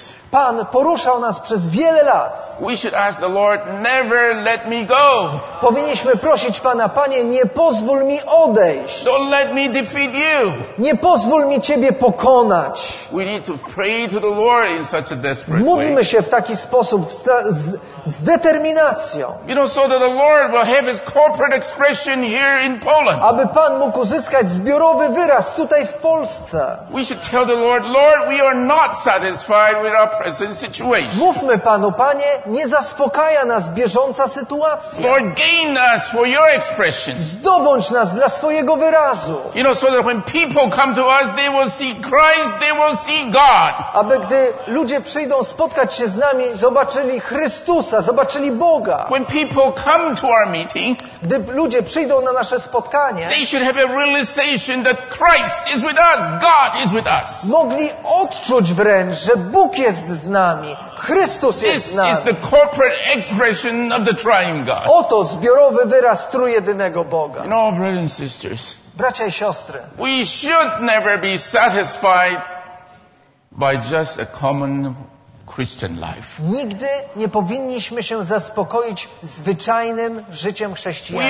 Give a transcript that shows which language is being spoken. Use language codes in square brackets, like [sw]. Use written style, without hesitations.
[pl] Pan poruszał nas przez wiele lat. [en] We should ask the Lord, never let me go. [pl] Powinniśmy prosić Pana, Panie, nie pozwól mi odejść. [en] Don't let me defeat you. [pl] Nie pozwól mi Ciebie pokonać. [en] We need to pray to the Lord in such a desperate way. [pl] Módlmy się w taki sposób, z determinacją. [en] You know, so that the Lord will have his corporate expression here in Poland. [pl] Aby Pan mógł uzyskać zbiorowy wyraz tutaj w Polsce. [en] We should tell the Lord, Lord, we are not satisfied with our present situation. [pl] Mówmy Panu, Panie, nie zaspokaja nas bieżąca sytuacja. [en] Lord, gain us for your expression. [pl] Zdobądź nas dla swojego wyrazu. [en] You know, so that when people come to us, they will see Christ, they will see God. [pl] Aby gdy ludzie przyjdą spotkać się z nami, zobaczyli Chrystusa. Zobaczyli Boga. [en] When people come to our meeting, [pl] gdy ludzie przyjdą na nasze spotkanie, [en] they should have a realization that Christ is with us, God is with us. [pl] Mogli odczuć wręcz, że Bóg jest z nami, Chrystus jest z nami. [en] This is the corporate expression of the triune God. [pl] Oto zbiorowy wyraz trójjedynego Boga. [en] You know, brothers and sisters, [pl] bracia i siostry, [en] we should never be satisfied by just a common Christian life. [pl] Nigdy nie powinniśmy się zaspokoić zwyczajnym życiem chrześcijańskim.